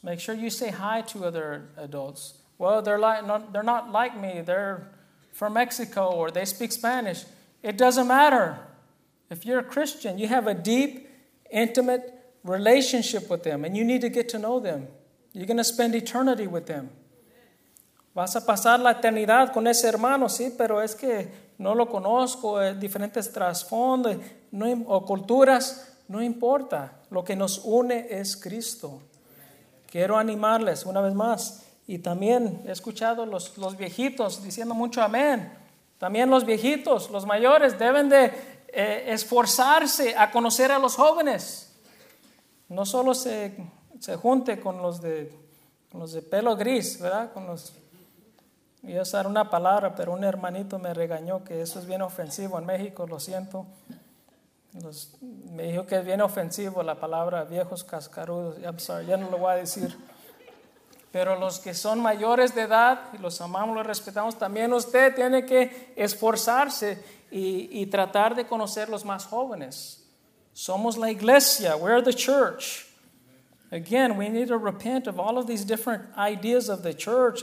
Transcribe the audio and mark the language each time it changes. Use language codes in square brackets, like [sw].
[en] Make sure you say hi to other adults. Well, they're not like me. They're from Mexico or they speak Spanish. It doesn't matter. If you're a Christian, you have a deep, intimate relationship with them, and you need to get to know them. You're going to spend eternity with them. [es] Vas a pasar la eternidad con ese hermano, sí, pero es que no lo conozco, diferentes trasfondos no, o culturas, no importa. Lo que nos une es Cristo. Quiero animarles una vez más. Y también he escuchado los viejitos diciendo mucho amén. También los viejitos, los mayores, deben de esforzarse a conocer a los jóvenes. No solo se junte con los de pelo gris, ¿verdad? Con los, voy a usar una palabra, pero un hermanito me regañó que eso es bien ofensivo en México, lo siento. Me dijo que es bien ofensivo la palabra viejos cascarudos. [en] I'm sorry, [es] ya no lo voy a decir. Pero los que son mayores de edad, los amamos, los respetamos, también usted tiene que esforzarse y tratar de conocer los más jóvenes. Somos la iglesia. [en] We're the church. Again, we need to repent of all of these different ideas of the church.